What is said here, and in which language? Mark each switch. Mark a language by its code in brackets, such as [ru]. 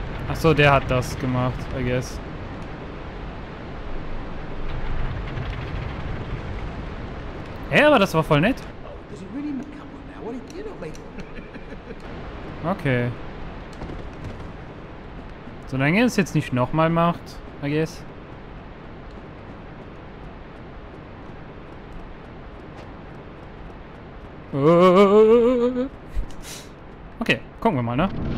[de] Ach so, der hat das gemacht, [en] I guess. [de] Hä, aber das war voll nett. [en] Does it really matter? Come on now, what you're not making. Okay. [de] Solange er es jetzt nicht nochmal macht, [en] I guess. [de] Okay, gucken wir mal, ne?